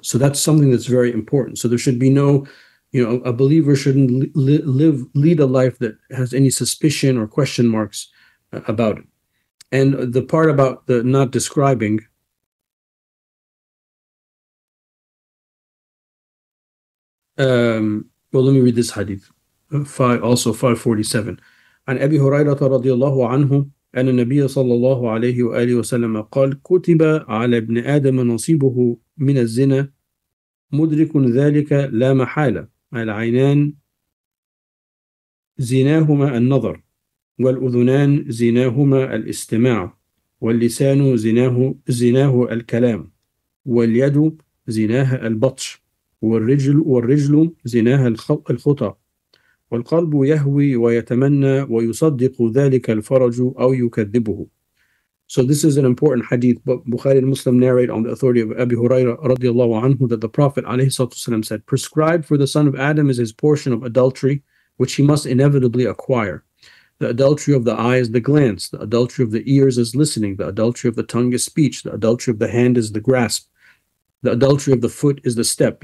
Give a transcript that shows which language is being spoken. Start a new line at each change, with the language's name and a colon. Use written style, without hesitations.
English: So that's something that's very important. So there should be no, you know, a believer shouldn't lead a life that has any suspicion or question marks about it. And the part about the not describing, well, let me read this hadith, also 547.
Arabic: عن أبي هريرة رضي الله عنه أن النبي صلى الله عليه وآله وسلم قال كتب على ابن آدم نصيبه من الزنا مدرك ذلك لا محالة العينان زناهما النظر والأذنان زناهما الاستماع واللسان زناه الكلام واليد زناها البطش والرجل زناها الخطى والقلب يهوي ويتمنى ويصدق ذلك الفرج أو يكذبه.
English: So this is an important hadith, but Bukhari and Muslim narrate on the authority of Abi Huraira radiallahu anhu that the Prophet ﷺ said, prescribed for the son of Adam is his portion of adultery, which he must inevitably acquire. The adultery of the eye is the glance, the adultery of the ears is listening, the adultery of the tongue is speech, the adultery of the hand is the grasp, the adultery of the foot is the step.